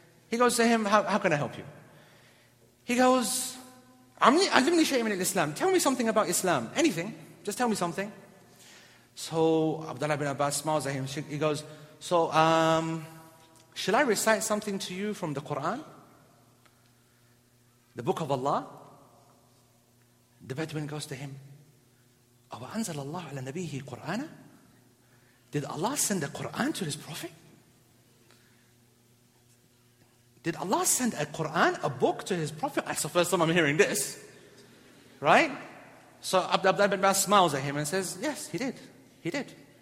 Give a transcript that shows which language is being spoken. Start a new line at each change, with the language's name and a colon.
English: He goes to him, how can I help you? He goes, I'm the shaman in Islam. Tell me something about Islam. Anything. Just tell me something. So Abdullah ibn Abbas smiles at him. He goes, So, shall I recite something to you from the Quran? The book of Allah? The Bedouin goes to him,
Arabic: أَوَ أَنزَلَ اللَّهُ عَلَى نَبِيهِ قُرْآنَ.
English: Did Allah send the Quran to his prophet? Did Allah send a Quran, a book to his prophet? That's the first time I'm hearing this. Right? So Abdullah ibn Abbas smiles at him and says, yes, he did. He did.